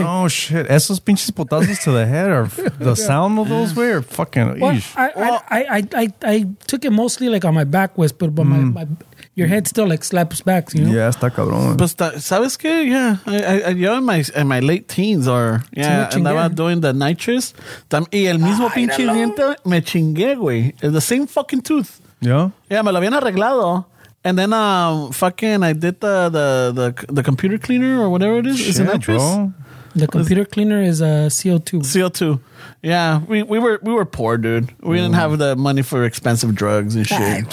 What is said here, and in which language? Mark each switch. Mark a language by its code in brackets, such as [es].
[en] No, shit. [es] Esos pinches putazos [en] to the head or the sound of those, way, or fucking, well, I took it mostly like on my back, way, but my your head still like slaps back, you know? [es] Yeah, está cabrón. But ¿sabes qué? [en] Yeah, I, in my late teens andaba doing the nitrous. [es] Y el mismo pinche diente me chingué, güey. [en] The same fucking tooth. Yeah? [es] Yeah, me lo habían arreglado. [en] And then I did the computer cleaner or whatever it is. Shit, it's a nitrous. Bro. The computer cleaner is a CO2. CO2. Yeah, we were poor, dude. We didn't have the money for expensive drugs and shit.